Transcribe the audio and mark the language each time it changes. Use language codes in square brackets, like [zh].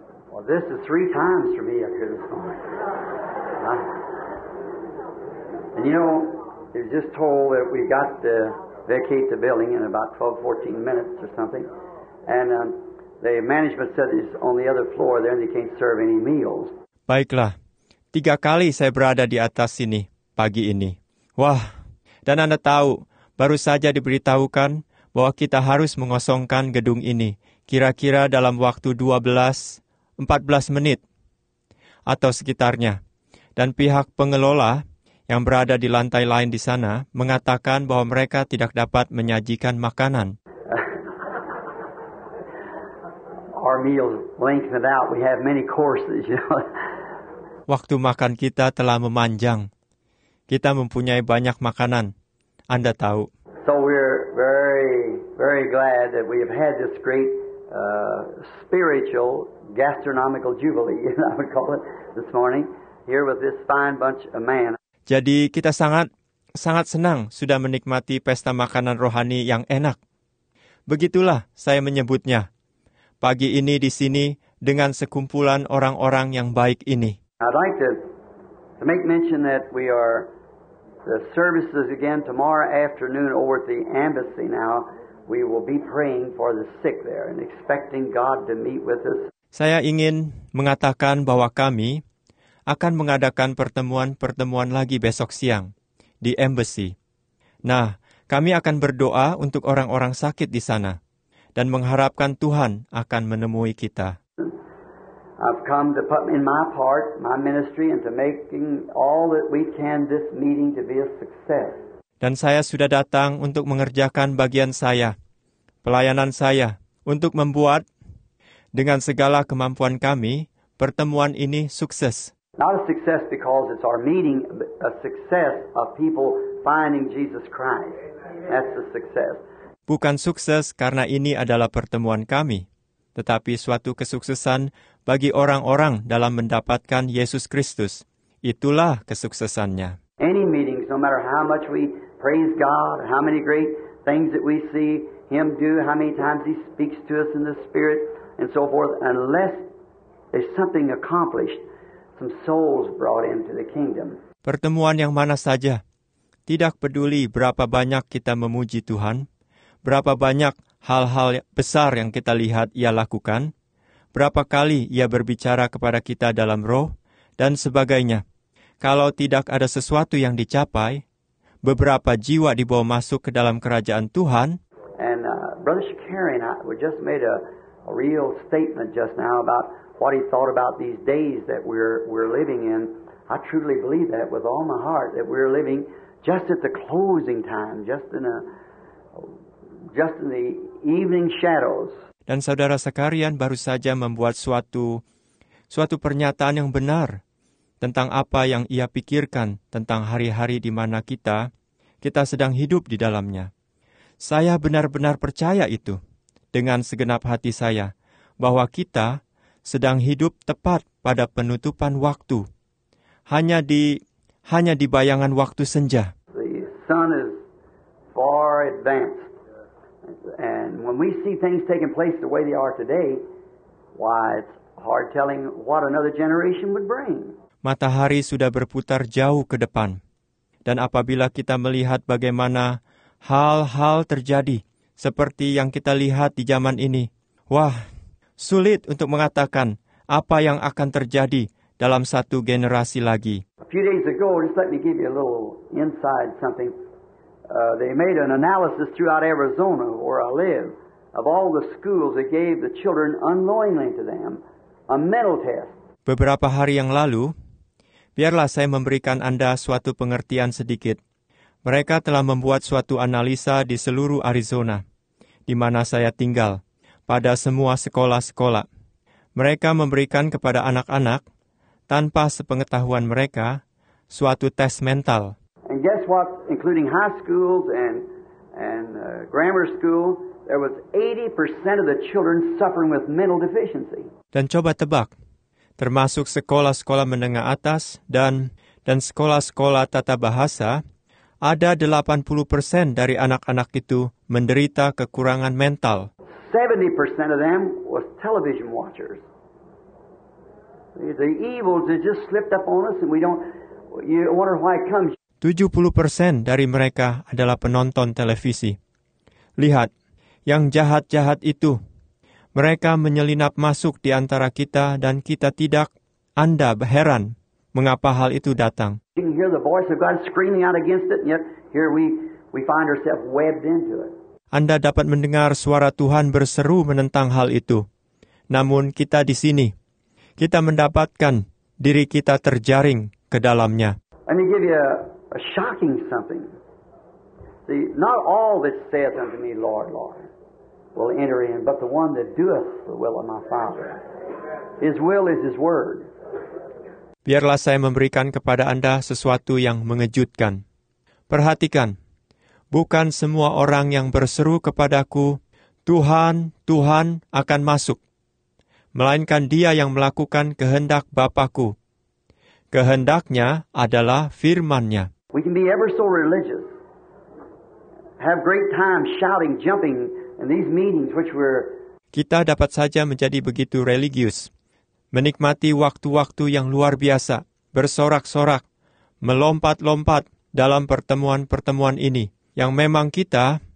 [en] Well, this is three times for me up here this morning. And you know, it was just told that we got to vacate the building in about 12, 14 minutes or something. And the management said it's on the other floor there and they can't serve any meals. [id] Baiklah. Tiga kali saya berada di atas sini pagi ini. Wah, dan Anda tahu, baru saja diberitahukan bahwa kita harus mengosongkan gedung ini kira-kira dalam waktu 12-14 menit atau sekitarnya. Dan pihak pengelola yang berada di lantai lain di sana mengatakan bahwa mereka tidak dapat menyajikan makanan. [en] Our meals lengthened out. We have many courses, you know. [id] Waktu makan kita telah memanjang. Kita mempunyai banyak makanan. Anda tahu. [en] So we're very, very glad that we have had this great spiritual gastronomical jubilee, I would call it, this morning, here with this fine bunch of men. [id] Jadi kita sangat, sangat senang sudah menikmati pesta makanan rohani yang enak. Begitulah saya menyebutnya. Pagi ini di sini dengan sekumpulan orang-orang yang baik ini. [en] I'd like to make mention that we are the services again tomorrow afternoon over at the embassy. Now we will be praying for the sick there and expecting God to meet with us. [id] Saya ingin mengatakan bahwa kami akan mengadakan pertemuan-pertemuan lagi besok siang di embassy. Nah, kami akan berdoa untuk orang-orang sakit di sana dan mengharapkan Tuhan akan menemui kita. [en] I've come to put in my part, my ministry, and to making all that we can this meeting to be a success. [id] Dan saya sudah datang untuk mengerjakan bagian saya, pelayanan saya, untuk membuat dengan segala kemampuan kami pertemuan ini sukses. [en] Not a success because it's our meeting, but a success of people finding Jesus Christ. That's the success. [id] Bukan sukses karena ini adalah pertemuan kami, tetapi suatu kesuksesan bagi orang-orang dalam mendapatkan Yesus Kristus. Itulah kesuksesannya. [en] Any meetings, no matter how much we praise God, how many great things that we see Him do, how many times He speaks to us in the Spirit, and so forth, unless there's something accomplished, some souls brought into the kingdom. [id] Pertemuan yang mana saja, tidak peduli berapa banyak kita memuji Tuhan, berapa banyak hal-hal besar yang kita lihat Ia lakukan, berapa kali Ia berbicara kepada kita dalam roh, dan sebagainya. Kalau tidak ada sesuatu yang dicapai, beberapa jiwa dibawa masuk ke dalam kerajaan Tuhan. [en] And Brother Shakarian, we just made a real statement just now about what he thought about these days that we're living in. I truly believe that with all my heart, that we're living just at the closing time, just in the evening shadows. [id] Dan Saudara Sakarian baru saja membuat suatu pernyataan yang benar tentang apa yang ia pikirkan tentang hari-hari di mana kita sedang hidup di dalamnya. Saya benar-benar percaya itu dengan segenap hati saya, bahwa kita sedang hidup tepat pada penutupan waktu, hanya di bayangan waktu senja. [en] The sun is far advanced. And when we see things taking place the way they are today, why, it's hard telling what another generation would bring. [id] Matahari sudah berputar jauh ke depan. Dan apabila kita melihat bagaimana hal-hal terjadi seperti yang kita lihat di zaman ini, wah, sulit untuk mengatakan apa yang akan terjadi dalam satu generasi lagi. [en] A few days ago, just let me give you a little inside something. They made an analysis throughout Arizona, where I live, of all the schools that gave the children unknowingly to them a mental test. [id] Beberapa hari yang lalu, biarlah saya memberikan Anda suatu pengertian sedikit. Mereka telah membuat suatu analisa di seluruh Arizona, di mana saya tinggal, pada semua sekolah-sekolah. Mereka memberikan kepada anak-anak, tanpa sepengetahuan mereka, suatu tes mental. [en] And guess what, including high schools and grammar school, there was 80% of the children suffering with mental deficiency. [id] Dan coba tebak, termasuk sekolah-sekolah menengah atas dan sekolah-sekolah tata bahasa, ada 80% dari anak-anak itu menderita kekurangan mental. [en] 70% of them was television watchers. The evils that just slipped up on us and you wonder why it comes. [id] 70% dari mereka adalah penonton televisi. Lihat, yang jahat-jahat itu, mereka menyelinap masuk di antara kita dan kita tidak, Anda heran mengapa hal itu datang. [en] You can hear the voice of God screaming out against it, and yet here we find ourselves webbed into it. [id] Anda dapat mendengar suara Tuhan berseru menentang hal itu. Namun kita di sini, kita mendapatkan diri kita terjaring ke dalamnya. [en] Let me give you a shocking something. See, not all that saith unto me, Lord, Lord, will enter in, but the one that doeth the will of my Father. His will is His word. [id] Biarlah saya memberikan kepada Anda sesuatu yang mengejutkan. Perhatikan, bukan semua orang yang berseru kepadaku, Tuhan, Tuhan, akan masuk, melainkan Dia yang melakukan kehendak Bapa-Ku. Kehendaknya adalah firman-Nya. [en] We can be ever so religious, have great time shouting, jumping in these meetings which we're... [id] Kita dapat saja menjadi begitu religius, menikmati waktu-waktu yang luar biasa, bersorak-sorak, melompat-lompat dalam pertemuan-pertemuan ini yang memang kita